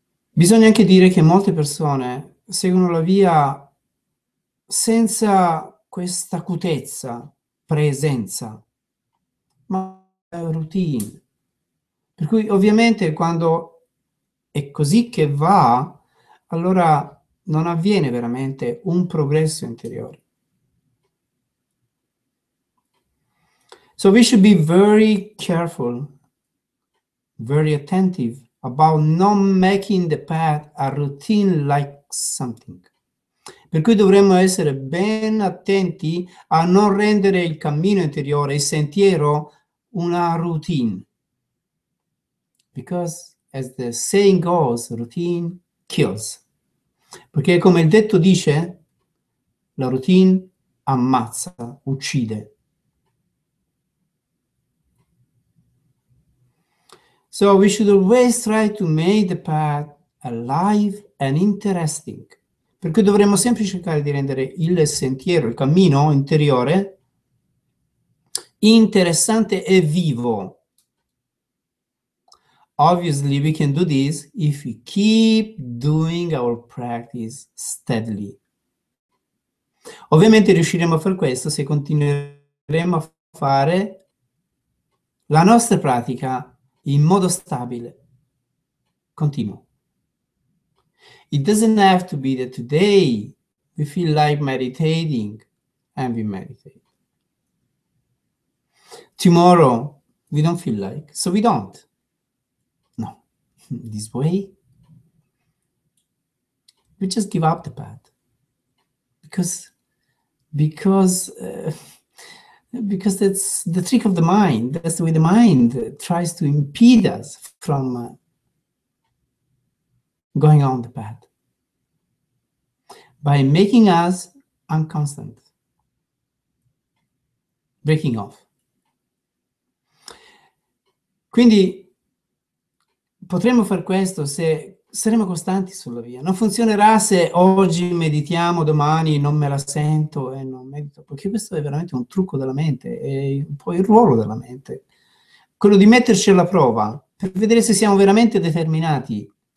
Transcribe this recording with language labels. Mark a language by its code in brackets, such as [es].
[it] Bisogna anche dire che molte persone seguono la via senza questa acutezza, presenza, ma routine. Per cui ovviamente quando è così che va, allora non avviene veramente un progresso interiore. [en] So we should be very careful, very attentive about not making the path a routine like something. [it] Per cui dovremmo essere ben attenti a non rendere il cammino interiore, il sentiero, una routine. [en] Because, as the saying goes, routine kills. [it] Perché, come il detto dice, la routine ammazza, uccide. [en] So we should always try to make the path alive and interesting. [it] Perché dovremmo sempre cercare di rendere il sentiero, il cammino interiore, interessante e vivo. [en] Obviously, we can do this if we keep doing our practice steadily. [it] Ovviamente riusciremo a far questo se continueremo a fare la nostra pratica in modo stabile, continuo. [en] It doesn't have to be that today we feel like meditating and we meditate. Tomorrow we don't feel like, so we don't. This way, we just give up the path because that's the trick of the mind. That's the way the mind tries to impede us from going on the path by making us unconstant, breaking off. [it] Quindi potremmo fare questo se saremo costanti sulla via. Non funzionerà se oggi meditiamo, domani non me la sento e non medito, perché questo è veramente un trucco della mente, è un po' il ruolo della mente, quello di metterci alla prova per vedere se siamo veramente determinati.